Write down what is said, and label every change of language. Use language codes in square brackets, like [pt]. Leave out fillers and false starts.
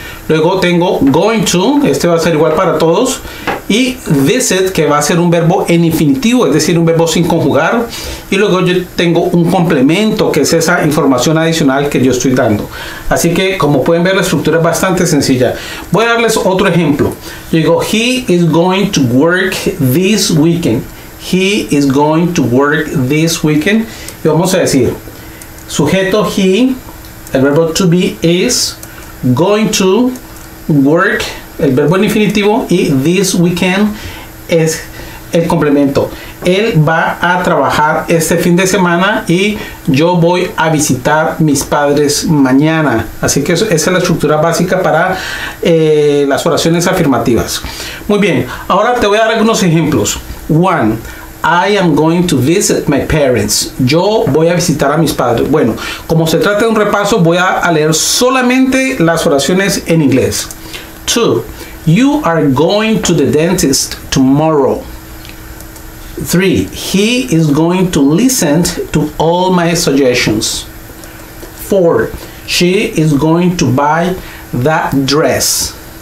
[es] Luego tengo going to, este va a ser igual para todos. Y visit, que va a ser un verbo en infinitivo, es decir, un verbo sin conjugar. Y luego yo tengo un complemento, que es esa información adicional que yo estoy dando. Así que, como pueden ver, la estructura es bastante sencilla. Voy a darles otro ejemplo. Yo digo, [en] he is going to work this weekend. He is going to work this weekend. [es] Y vamos a decir, sujeto he, el verbo to be, is going to work, el verbo en infinitivo, y this weekend es el complemento. Él va a trabajar este fin de semana y yo voy a visitar mis padres mañana. Así que esa es la estructura básica para las oraciones afirmativas. Muy bien, ahora te voy a dar algunos ejemplos. [en] One, I am going to visit my parents. [es] Yo voy a visitar a mis padres. Bueno, como se trata de un repaso, voy a leer solamente las oraciones en inglés. [en] Two, you are going to the dentist tomorrow. Three, he is going to listen to all my suggestions. Four, she is going to buy that dress.